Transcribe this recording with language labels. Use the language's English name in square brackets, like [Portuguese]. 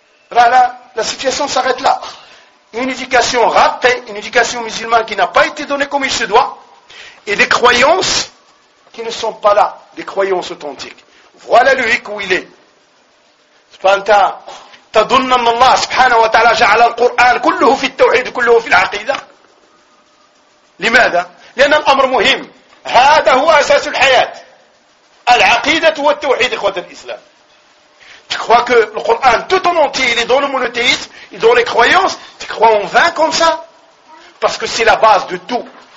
[French] La situation s'arrête là. Une éducation ratée, une éducation musulmane qui n'a pas été donnée comme il se doit, et des croyances qui ne sont pas là, des croyances authentiques. Voilà le hic où il est. Spanta, [Arabic] تظن أن الله سبحانه وتعالى جعل القرآن كله في التوحيد كله في العقيدة؟ لماذا؟ لأن الأمر مهم، هذا هو أساس الحياة، العقيدة والتوحيد إخوة الإسلام. [French] Tu crois que le Coran tout en entier, il est dans le monothéisme, il est dans les croyances, tu crois en vain comme ça? Parce que c'est la base de tout.